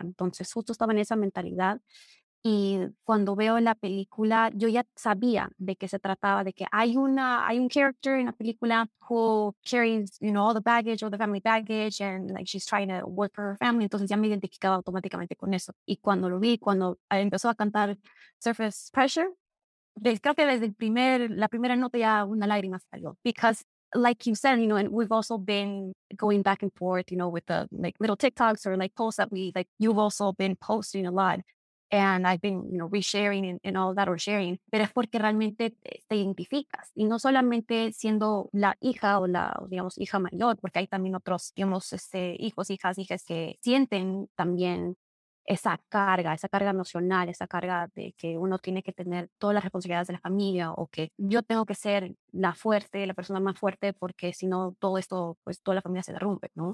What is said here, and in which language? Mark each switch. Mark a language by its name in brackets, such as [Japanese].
[Spanish] Entonces justo estaba en esa mentalidad. Y cuando veo la película, yo ya sabía de qué se trataba, de que hay un character en la película [English] who carries, you know, all the baggage, all the family baggage, and like she's trying to work for her family. [Spanish] Entonces ya me identificaba automáticamente con eso. Y cuando lo vi, cuando empezó a cantar Surface Pressure, creo que desde la primera nota ya una lágrima salió. [English] Because like you said, you know, and we've also been going back and forth, you know, with the like little TikToks or like posts that you've also been posting a lot. And I've been, you know, resharing and all that, or sharing. [Spanish] Pero es porque realmente te identificas. Y no solamente siendo la hija o la, digamos, hija mayor, porque hay también otros, digamos, hijos, hijas, hijas que sienten también esa carga emocional, esa carga de que uno tiene que tener todas las responsabilidades de la familia, o que yo tengo que ser la fuerte, la persona más fuerte, porque si no, todo esto, pues toda la familia se derrumbe, ¿no?